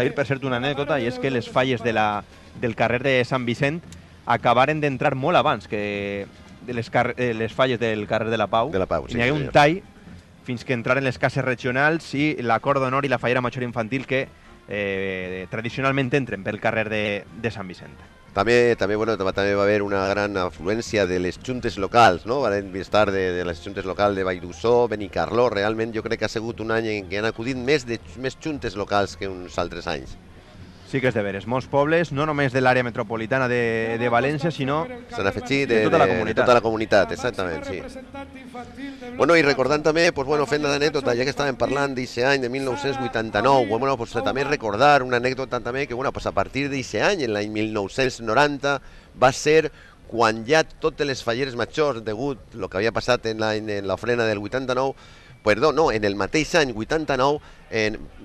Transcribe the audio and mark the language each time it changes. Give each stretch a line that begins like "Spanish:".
Catalan: Ahir, per cert, una anècdota, i és que les falles del carrer de Sant Vicent acabaren d'entrar molt abans que les falles del carrer de la Pau. De la Pau, sí. Hi hagué un tall fins que entraren les cases regionals i l'acord d'honor i la fallera major infantil que tradicionalment entren pel carrer de Sant Vicent.
Spanish: También, bueno, también va a haber una gran afluencia de les chuntes locals, ¿no? Van a estar de les chuntes locals de Bairusó, Benicarló.
Catalan: Realment jo crec que ha sigut un any en què han acudit més chuntes locals que uns altres anys. Sí que és de veres, molts pobles, no només de l'àrea metropolitana de València, sinó s'han afegit de tota la comunitat, exactament, sí. Bueno, i recordant també, pues bueno, fent d'anècdota, ja que estàvem parlant d'aquest any de 1989, bueno, pues també recordar una anècdota també que, bueno, pues a partir d'aquest any, en l'any 1990, va ser quan ja totes les falleres majors, degut lo que havia passat en l'ofrena del 89, perdó, no, en el mateix any, 89, en